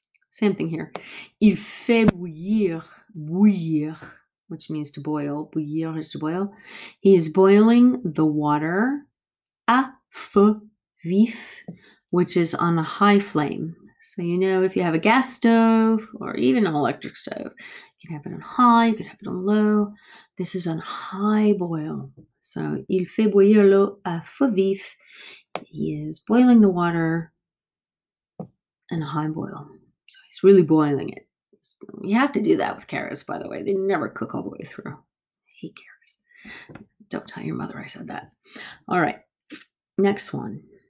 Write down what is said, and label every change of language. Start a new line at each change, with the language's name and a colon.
English: Same thing here.
French: Il fait bouillir,
English: which means to boil.
French: Bouillir
English: is to boil. He is boiling the water
French: à feu vif,
English: which is on a high flame. So you know if you have a gas stove or even an electric stove, you can have it on high, you can have it on low. This is on high boil.
French: So il fait bouillir l'eau à feu vif.
English: He is boiling the water in a high boil. So he's really boiling it. You have to do that with carrots, by the way. They never cook all the way through. I hate carrots. Don't tell your mother I said that. All right. Next one.